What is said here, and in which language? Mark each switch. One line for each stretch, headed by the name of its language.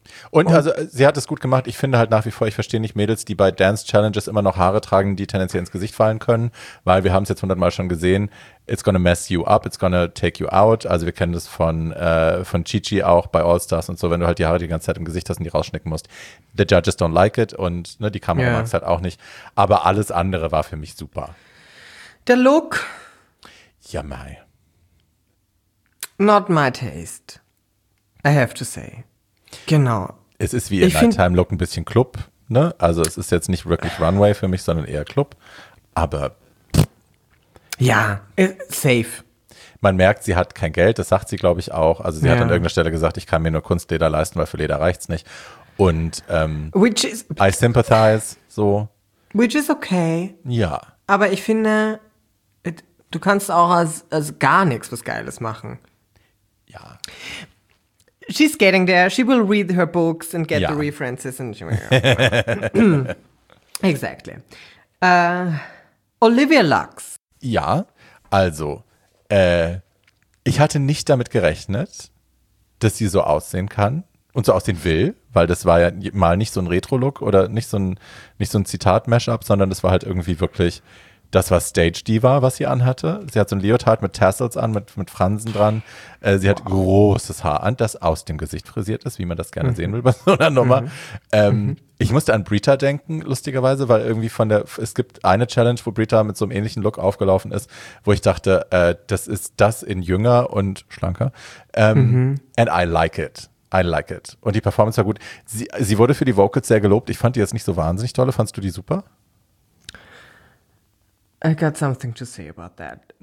German: Und also, sie hat es gut gemacht. Ich finde halt nach wie vor, ich verstehe nicht Mädels, die bei Dance-Challenges immer noch Haare tragen, die tendenziell ins Gesicht fallen können, weil wir haben es jetzt 100 Mal schon gesehen,
English: it's gonna mess you up, it's gonna take you out.
German: Also wir kennen das von Chi-Chi auch bei All-Stars und so, wenn du halt die Haare die ganze Zeit im Gesicht hast und die rausschnicken musst.
English: The judges don't like it
German: und ne, die Kamera mag es halt auch nicht. Aber alles andere war für mich super. Der Look? Ja, mei.
English: Not my taste, I have to say. Genau.
German: Es ist wie ihr Nighttime-Look ein bisschen Club, ne? Also es ist jetzt nicht wirklich Runway für mich, sondern eher Club. Aber ja, safe. Man merkt, sie hat kein Geld, das sagt sie, glaube ich, auch. Also sie hat an irgendeiner Stelle gesagt, ich kann mir nur Kunstleder leisten, weil für Leder reicht's nicht.
English: Und I sympathize, so. Which is okay.
German: Ja. Aber ich finde, du kannst auch als gar nichts was Geiles machen. Ja.
English: She's getting there. She will read her books and get the references. And exactly. Olivia Lux.
German: Ja, also, ich hatte nicht damit gerechnet, dass sie so aussehen kann und so aussehen will, weil das war ja mal nicht so ein Retro-Look oder nicht so ein Zitat-Mashup, sondern das war halt irgendwie wirklich, das war Stage-Diva, was sie anhatte. Sie hat so ein Leotard mit Tassels an, mit Fransen dran. Sie hat großes Haar an, das aus dem Gesicht frisiert ist, wie man das gerne sehen will bei so einer Nummer. Ich musste an Britta denken, lustigerweise, weil irgendwie es gibt eine Challenge, wo Britta mit so einem ähnlichen Look aufgelaufen ist, wo ich dachte, das ist das in jünger und schlanker.
English: And I like it. I like it.
German: Und die Performance war gut. Sie wurde für die Vocals sehr gelobt. Ich fand die jetzt nicht so wahnsinnig tolle. Fandst du die super?
English: I got something to say about that.